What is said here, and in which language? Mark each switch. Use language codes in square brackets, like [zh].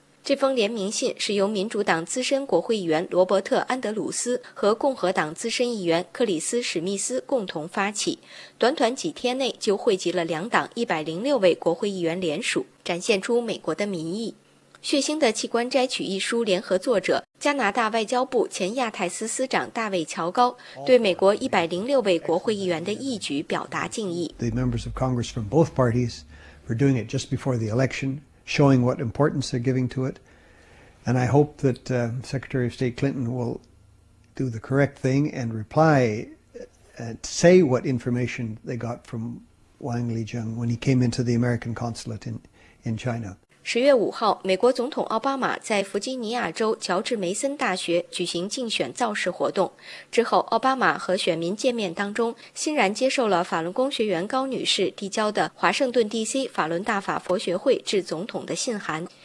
[zh] 这封联名信是由民主党资深国会议员罗伯特·安德鲁斯和共和党资深议员克里斯·史密斯共同发起，短短几天内就汇集了两党106位国会议员联署，展现出美国的民意。血腥的器官摘取一书联合作者、加拿大外交部前亚太司司长大卫·乔高对美国106位国会议员的义举表达敬意。 [en] The members of Congress from both parties were doing it just before the election. showing what importance they're giving to it. And I hope that Secretary of State Clinton will do the correct thing and reply and say what information they got from Wang Lijiang when he came into the American consulate in China. [zh] 10月5号，美国总统奥巴马在弗吉尼亚州乔治梅森大学举行竞选造势活动。之后，奥巴马和选民见面当中，欣然接受了法轮功学员高女士递交的华盛顿 DC 法轮大法佛学会致总统的信函。